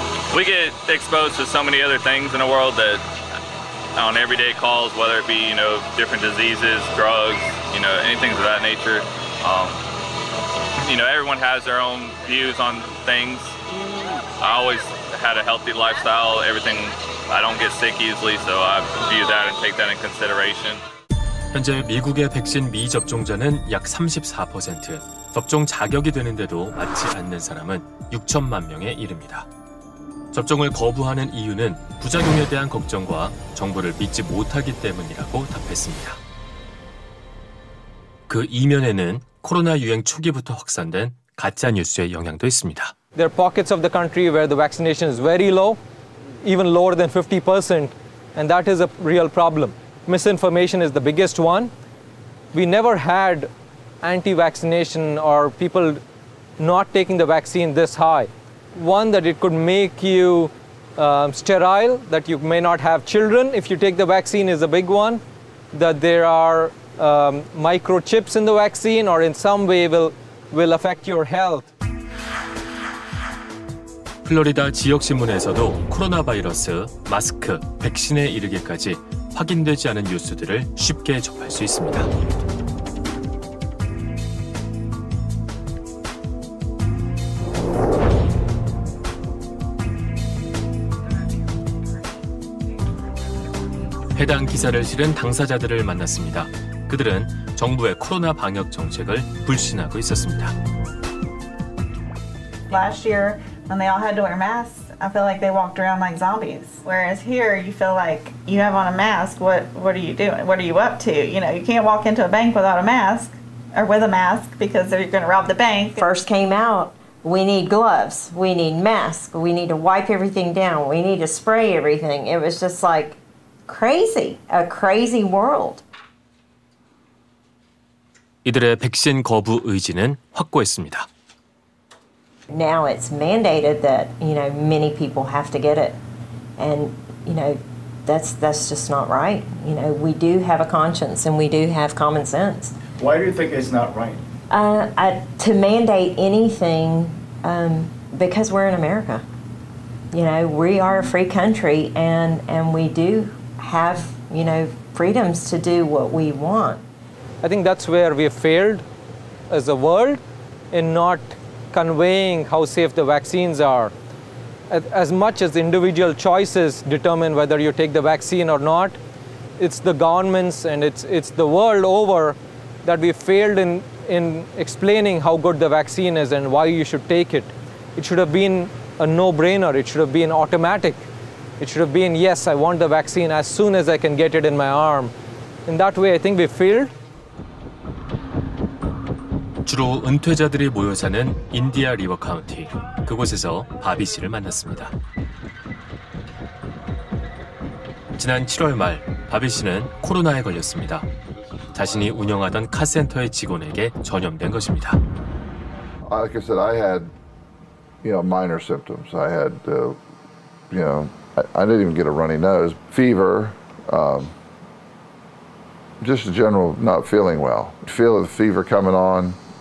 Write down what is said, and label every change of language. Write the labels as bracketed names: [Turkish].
[English] We get exposed to so many other things in the world that. On everyday calls, whether it be, you know, different diseases, drugs, you know, anything of that nature. You know, everyone has their own views on things. I always had a healthy lifestyle, everything. I don't get sick easily, so I view that and take that in consideration. [Korean] 현재 미국의 백신 미접종자는 약 34%. 접종 자격이 되는데도 맞지 않는 사람은 6천만 명에 이릅니다. 접종을 거부하는 이유는 부작용에 대한 걱정과 정부를 믿지 못하기 때문이라고 답했습니다. 그 이면에는 코로나 유행 초기부터 확산된 가짜뉴스의 영향도 있습니다. [English] There are pockets of the country where the vaccination is very low, even lower than 50%, and that is a real problem. Misinformation is the biggest one. We never had anti-vaccination or people not taking the vaccine this high. One, that it could make you sterile, that you may not have children if you take the vaccine is a big one, that there are microchips in the vaccine or in some way will affect your health. [Korean] 플로리다 지역 신문에서도 코로나 바이러스, 마스크, 백신에 이르기까지 확인되지 않은 뉴스들을 쉽게 접할 수 있습니다. 해당 기사를 실은 당사자들을 만났습니다. 그들은 정부의 코로나 방역 정책을 불신하고 있었습니다. [English] Last year, when they all had to wear masks, I feel like they walked around like zombies. Whereas here, you feel like you have on a mask. What are you doing? What are you up to? You know, you can't walk into a bank without a mask or with a mask because they're going to rob the bank. First came out, we need gloves. We need masks. We need to wipe everything down. We need to spray everything. It was just like crazy, a crazy world. [Korean] 이들의 백신 거부 의지는 확고했습니다. [English] Now it's mandated that, you know, many people have to get it. And, you know, that's just not right. You know, we do have a conscience and we do have common sense. Why do you think it's not right? To mandate anything because we're in America. You know, we are a free country and we do have, you know, freedoms to do what we want. I think that's where we have failed as a world in not conveying how safe the vaccines are. As much as individual choices determine whether you take the vaccine or not, it's the governments and it's the world over that we failed in explaining how good the vaccine is and why you should take it. It should have been a no-brainer. It should have been automatic. It should have been, yes, I want the vaccine as soon as I can get it in my arm. In that way, I think we failed. [Korean] 주로 은퇴자들이 모여 사는 인디아 리버 카운티. 그곳에서 바비 씨를 만났습니다. 지난 7월 말 바비 씨는 코로나에 걸렸습니다. 자신이 운영하던 카센터의 직원에게 전염된 것입니다. [English] Like I said, I had, you know, minor symptoms. I had, you know, I didn't even get a runny nose, fever, just a general not feeling well. Feel the fever coming on.